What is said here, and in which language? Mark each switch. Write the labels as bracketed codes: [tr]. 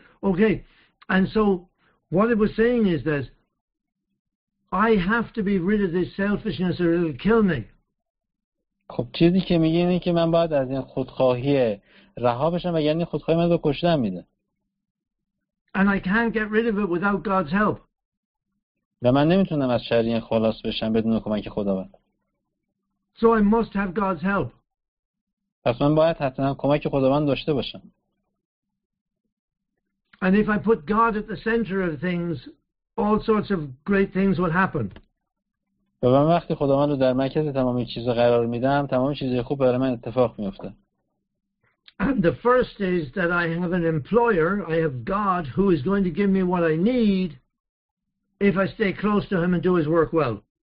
[en] Okay, and so what it was saying is that I have to be rid of this selfishness or it'll kill me. [fa] خب چیزی که میگه اینه که من باید از این خودخواهی رها بشم و یعنی خودخواهی من رو کشتن میده. [en] And I can't get rid of it without God's help. [fa] و من نمیتونم از شر این خلاص بشم بدون کمک خداوند. [en] So I must have God's help. [fa] پس من باید حتما کمک خداوند داشته باشم. [en] And if I put God at the center of things, all sorts of great things will happen. [fa] و من وقتی خداوند رو در مرکز تمام چیزا قرار میدم، تمام چیزهای خوب برای من اتفاق میفته. [en] And the first is that I have an employer, I have God, who is going to give me what I need if I stay close to him and do his work well.